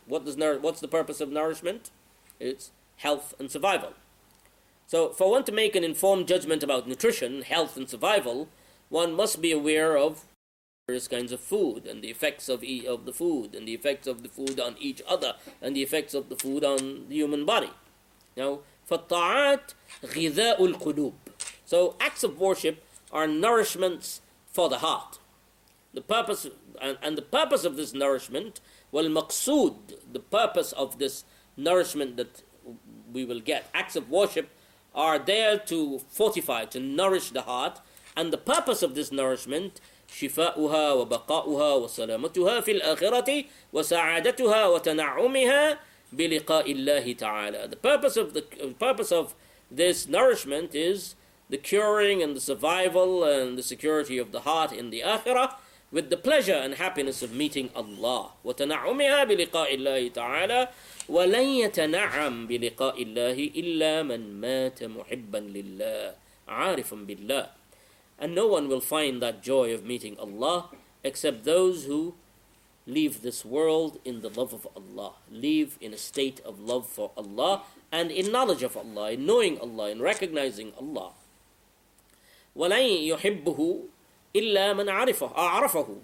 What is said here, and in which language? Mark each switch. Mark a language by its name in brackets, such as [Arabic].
[English] What's the purpose of nourishment? It's health and survival. So for one to make an informed judgment about nutrition, health and survival, one must be aware of various kinds of food and the effects of the food and the effects of the food on each other and the effects of the food on the human body. Now, [Arabic] فالطاعات غذاء القلوب. [English] So acts of worship are nourishments for the heart. The purpose of this nourishment, [Arabic] والمقصود, [English] the purpose of this nourishment that we will get, acts of worship are there to fortify, to nourish the heart. And the purpose of this nourishment, [Arabic] شفاؤها وبقاؤها وسلامتها في الآخرة وسعادتها وتنعمها بلقاء الله تعالى. [English] The purpose of this nourishment is the curing and the survival and the security of the heart in the Akhirah, with the pleasure and happiness of meeting Allah. [Arabic] وتنعمها بلقاء الله تعالى ولن يتنعم بلقاء الله إلا من مات محبا لله عارفا بالله. [English] And no one will find that joy of meeting Allah except those who leave this world in the love of Allah, live in a state of love for Allah, and in knowledge of Allah, in knowing Allah, in recognizing Allah. [Arabic] وَلَنْ يُحِبُّهُ إِلَّا مَنْ عَرَفَهُ.